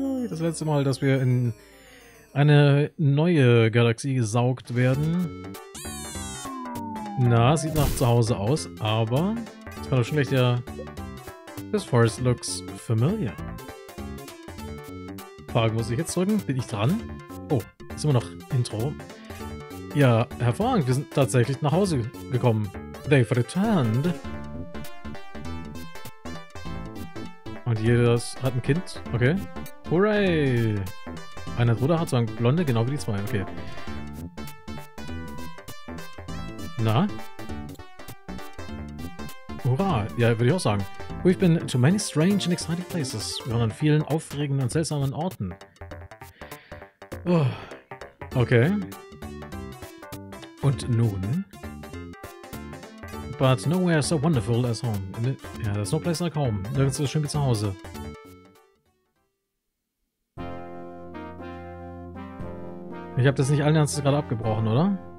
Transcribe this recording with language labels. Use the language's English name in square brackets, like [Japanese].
[German] Das letzte Mal, dass wir in eine neue Galaxie gesaugt werden. Na, sieht nach zu Hause aus, aber es kann doch schon gleich der. [English] This forest looks familiar. [German] Frage, muss ich jetzt drücken? Bin ich dran? Oh, ist immer noch Intro. Ja, hervorragend, wir sind tatsächlich nach Hause gekommen. [English] They've returned. [German] Und jeder hat ein Kind? Okay. Hooray! Eine Bruder hat so eine Blonde, genau wie die zwei. Okay. Na? Hurra! Ja, würde ich auch sagen. [English] We've been to many strange and exciting places. [German] Wir waren an vielen aufregenden und seltsamen Orten. Oh. Okay. Und nun? [English] But nowhere so wonderful as home. Ja, there's no place like home. [German] Nirgends so schön wie zu Hause. Ich habe das nicht allen Ernstes gerade abgebrochen, oder?